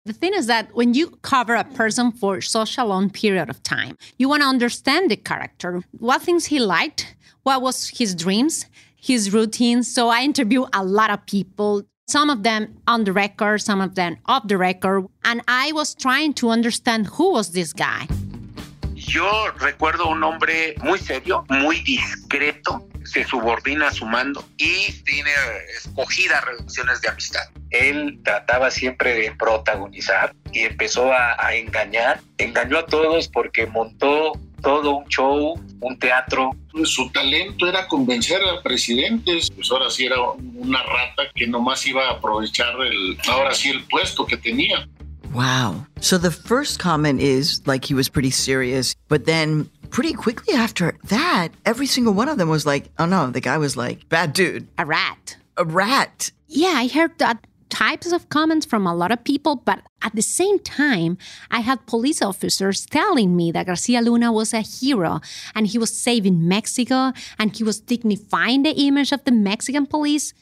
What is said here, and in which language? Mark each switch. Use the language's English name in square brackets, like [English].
[English] The thing is that when you cover a person for such a long period of time, you want to understand the character, what things he liked, what was his dreams, his routines. So I interview a lot of people, some of them on the record, some of them off the record. And I was trying to understand who was this guy. [Spanish] Yo recuerdo un hombre muy serio, muy discreto. Se subordina a su mando y tiene escogidas relaciones de amistad. Él trataba siempre de protagonizar y empezó a engañar. Engañó a todos porque montó todo un show, un teatro. Su talento era convencer a presidentes. Pues ahora sí era una rata que nomás iba a aprovechar el puesto que tenía. [English] Wow. So the first comment is like he was pretty serious, but then pretty quickly after that, every single one of them was like, oh no, the guy was like, bad dude. A rat. Yeah, I heard that types of comments from a lot of people, but at the same time, I had police officers telling me that Garcia Luna was a hero and he was saving Mexico and he was dignifying the image of the Mexican police.